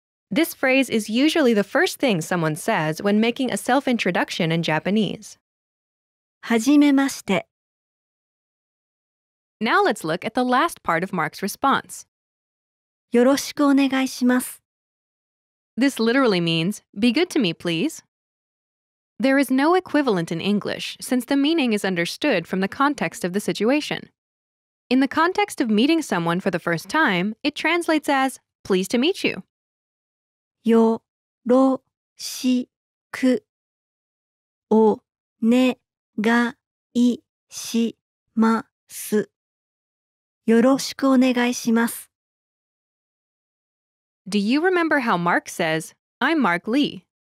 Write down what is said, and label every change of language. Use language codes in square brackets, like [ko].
[en] This phrase is usually the first thing someone says when making a self-introduction in Japanese. [ja] はじめまして。 [en] Now let's look at the last part of Mark's response. [ja] よろしくお願いします。 [en] This literally means, be good to me, please. There is no equivalent in English, since the meaning is understood from the context of the situation. In the context of meeting someone for the first time, it translates as, please to meet you. [ja] よろしくお願いします。よろしくお願いします。 [en] Do you remember how Mark says, I'm Mark Lee?